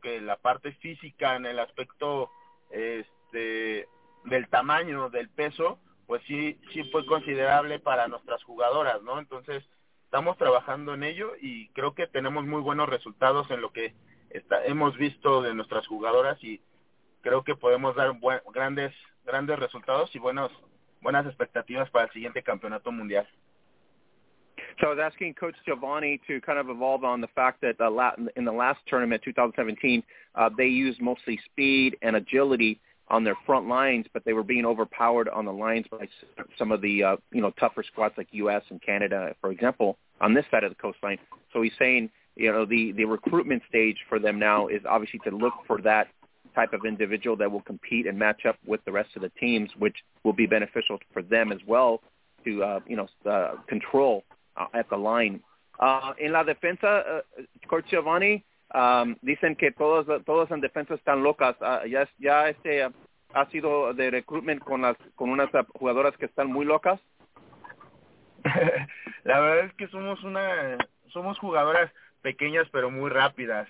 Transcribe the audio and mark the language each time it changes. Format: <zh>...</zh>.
<es>Que la parte física en el aspecto del tamaño, del peso, pues sí fue considerable para nuestras jugadoras, ¿no? Entonces estamos trabajando en ello y creo que tenemos muy buenos resultados en lo que hemos visto de nuestras jugadoras y creo que podemos dar grandes resultados y buenas expectativas para el siguiente campeonato mundial.</es> <en>So I was asking Coach Giovanni to kind of evolve on the fact that in the last tournament, 2017, they used mostly speed and agility on their front lines, but they were being overpowered on the lines by some of the tougher squads like U.S. and Canada, for example, on this side of the coastline. So he's saying, the recruitment stage for them now is obviously to look for that type of individual that will compete and match up with the rest of the teams, which will be beneficial for them as well to, control at the line.</en> <es>En la defensa, Coach Giovanni, dicen que todos en defensa están locas. Ha sido de recruitment con unas jugadoras que están muy locas. La verdad es que somos jugadoras pequeñas pero muy rápidas.</es>